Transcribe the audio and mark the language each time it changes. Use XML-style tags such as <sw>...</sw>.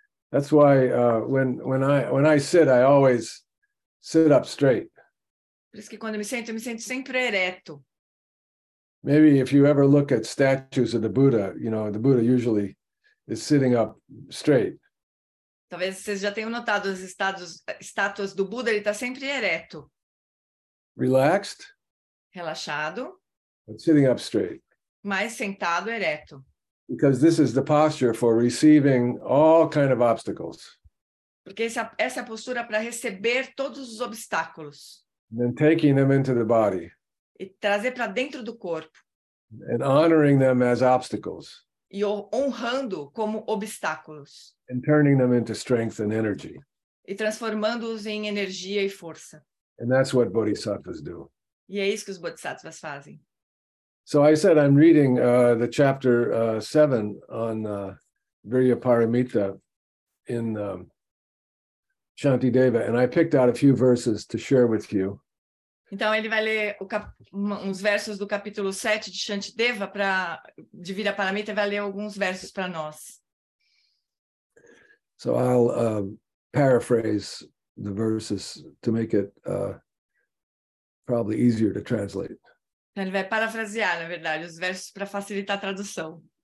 <en>That's why when I sit, I always sit up straight.</en> <pt>Por isso que quando eu me sinto sempre ereto.</pt> <en>Maybe if you ever look at statues of the Buddha, you know, the Buddha usually is sitting up straight.</en> <pt>Talvez vocês já tenham notado as estátuas do Buda, ele está sempre ereto.</pt> <en>Relaxed.</en> <pt>Relaxado.</pt> <en>But sitting up straight.</en> <pt>Mas sentado ereto.</pt> <en>Because this is the posture for receiving all kind of obstacles.</en> <pt>Porque essa é a postura para receber todos os obstáculos.</pt> <en>And then taking them into the body.</en> <pt>E trazer para dentro do corpo.</pt> <en>And honoring them as obstacles.</en> <pt>E honrando como obstáculos.</pt> <en>And turning them into strength and energy.</en> <pt>E transformando-os em energia e força.</pt> <en>And that's what bodhisattvas do.</en> <pt>E é isso que os bodhisattvas fazem.</pt> <en>So I said I'm reading the chapter 7 on Viryaparamita in Shantideva, and I picked out a few verses to share with you.</en> <pt>Então ele vai ler uns versos do capítulo 7 de Shantideva de Viryaparamita, vai ler alguns versos para nós.</pt> <en>So I'll paraphrase the verses to make it probably easier to translate.</en> <pt>Ele vai parafrasear, na verdade, os versos para facilitar a tradução.</pt>